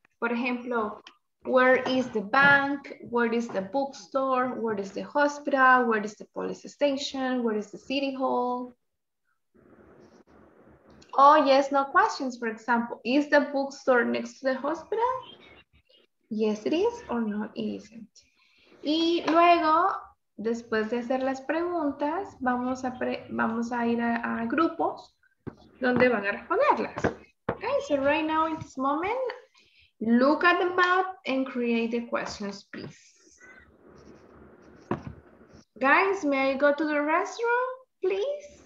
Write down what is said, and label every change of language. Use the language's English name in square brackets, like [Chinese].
[Spanish] Por ejemplo, [English] where is the bank? Where is the bookstore? Where is the hospital? Where is the police station? Where is the city hall? Oh, yes, no questions. For example, is the bookstore next to the hospital? Yes, it is or no, it isn't. [Spanish] Y luego, después de hacer las preguntas, vamos a ir a grupos donde van a responderlas. [English] Okay, so right now, in this moment, look at the map and create the questions, please. Guys, may I go to the restroom, please?